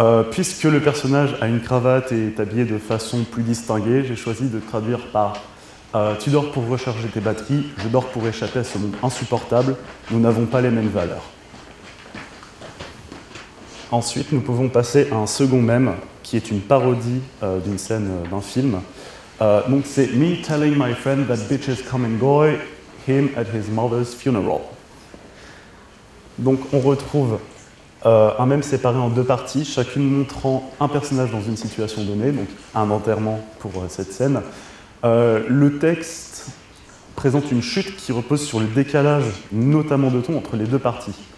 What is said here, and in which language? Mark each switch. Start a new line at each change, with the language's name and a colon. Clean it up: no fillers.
French: Puisque le personnage a une cravate et est habillé de façon plus distinguée, j'ai choisi de traduire par « tu dors pour recharger tes batteries, je dors pour échapper à ce monde insupportable, nous n'avons pas les mêmes valeurs ». Ensuite, nous pouvons passer à un second mème, qui est une parodie d'une scène d'un film. Donc c'est
English: « Me telling my friend that bitches come and go, him at his mother's funeral ».
French: Donc on retrouve un mème séparé en deux parties, chacune montrant un personnage dans une situation donnée, donc un enterrement pour cette scène. Le texte présente une chute qui repose sur le décalage, notamment de ton, entre les deux parties.